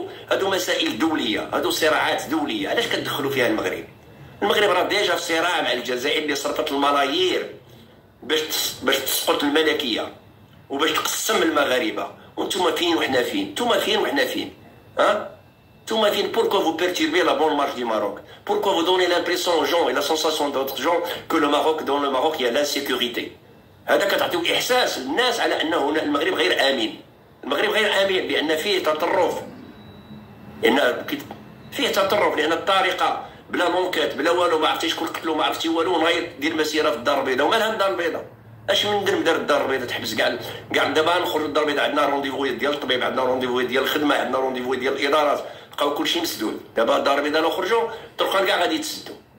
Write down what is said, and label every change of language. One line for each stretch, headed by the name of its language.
Arabic: هادو مسائل دوليه، هادو صراعات دوليه، علاش كتدخلوا فيها المغرب؟ المغرب راه ديجا في صراع مع الجزائر اللي صرفت الملايير باش تسقط الملكيه وباش تقسم المغاربه، وانتم فين وحنا فين؟ انتم فين وحنا فين؟ ها؟
French: Toma fin, pourquoi vous perturbez la bonne marche du Maroc? Pourquoi vous donnez l'impression aux gens et la sensation d'autres gens que le Maroc, dans le Maroc, il y a l'insécurité?
Arabic: هذا كتعطيو إحساس الناس على أنه المغرب غير آمن. المغرب غير آمن لأن فيه تطرف. لأن فيه تطرف لأن الطارقة بلا مونكات بلا والو، ما عرفتي شكون قتلو، ما عرفتي والو، غير دير مسيرة في الدار البيضاء، ومالها الدار البيضاء؟ اش من ندير مدار الدار البيضاء تحبس كاع كاع دابا نخرج الدار البيضاء عندنا رونديفو ديال الطبيب عندنا رونديفو ديال الخدمه عندنا رونديفو ديال الادارات بقاو كلشي مسدود دابا الدار البيضاء لو خرجوا تلقى كاع غادي تسدوا